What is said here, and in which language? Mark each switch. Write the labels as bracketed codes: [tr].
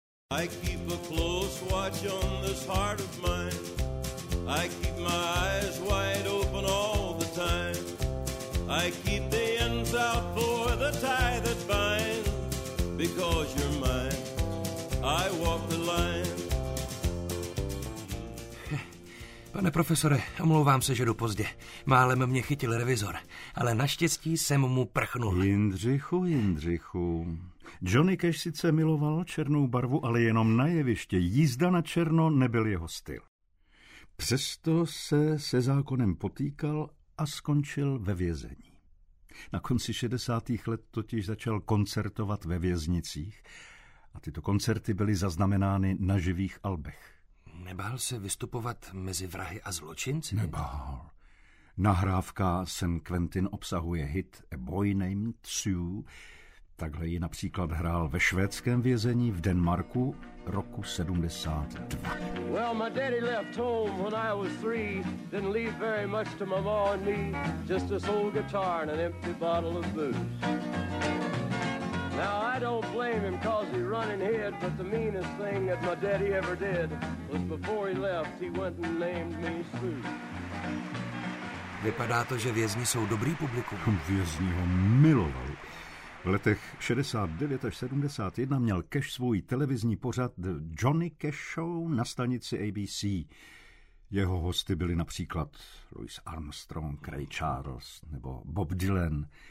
[en] I keep a close watch on this heart of mine. I keep my eyes wide open all the time. I keep the ends out for the tie that binds. Because you're mine, I walk the line. [cs] Pane profesore, omlouvám se, že jdu pozdě. Málem mě chytil revizor, ale naštěstí jsem mu prchnul. Jindřichu, Jindřichu, Johnny Cash sice miloval černou barvu, ale jenom na jeviště. Jízda na černo nebyl jeho styl. Přesto se zákonem potýkal a skončil ve vězení. Na konci 60. let totiž začal koncertovat ve věznicích a tyto koncerty byly zaznamenány na živých albech. Nebál se vystupovat mezi vrahy a zločinci? Nebál. Nahrávka San Quentin obsahuje hit A Boy Named Sue. Takhle ji například hrál ve švédském vězení v Denmarku roku 72. [en] Well, my daddy left home when I was three. Didn't leave very much to mama and me. Just this old guitar and an empty bottle of booze. Now, I don't blame him 'cause he run and hid. But the meanest thing that my daddy ever did was before he left, he went and named me Sue. [cs] Vypadá to, že vězni jsou dobrý publikum. Vězni ho milovali. V letech 69 až 71 měl Cash svůj televizní pořad The Johnny Cash Show na stanici ABC. Jeho hosty byli například Louis Armstrong, Ray Charles nebo Bob Dylan.